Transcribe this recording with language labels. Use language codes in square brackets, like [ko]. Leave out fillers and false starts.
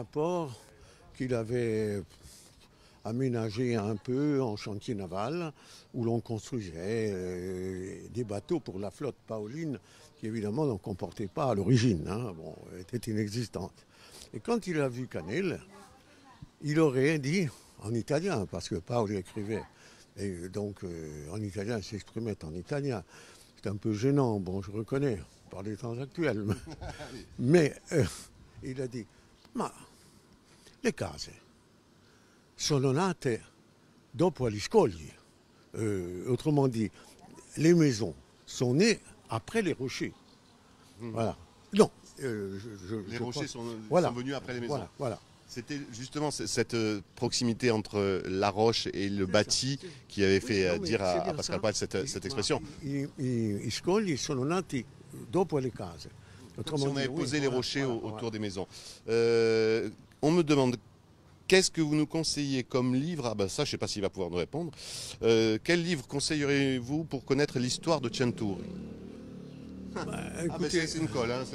[fr] Un port qu'il avait aménagé un peu en chantier naval, où l'on construisait des bateaux pour la flotte paoline, qui évidemment n'en comportait pas à l'origine, était inexistante. Et quand il a vu Canel, il aurait dit, en italien, parce que Paoli écrivait, et donc en italien, il s'exprimait en italien. C'est un peu gênant, je reconnais, par les temps actuels. Mais il a dit, [it] ma le case sono nate dopo gli scogli. [fr] Autrement dit, les maisons sont nées après les rochers. Mmh. Voilà. Non. Les rochers sont venus après les maisons. Voilà. C'était justement cette proximité entre la roche et le bâti qui avait fait dire à Pascal Paoli cette expression. [it] I scogli sono nati dopo le case. [fr] Autrement dit, on avait posé les rochers autour des maisons. On me demande, qu'est-ce que vous nous conseillez comme livre ? Ah ben ça, je ne sais pas s'il va pouvoir nous répondre. Quel livre conseillerez-vous pour connaître l'histoire de Chantour ? Écoutez, c'est une colle.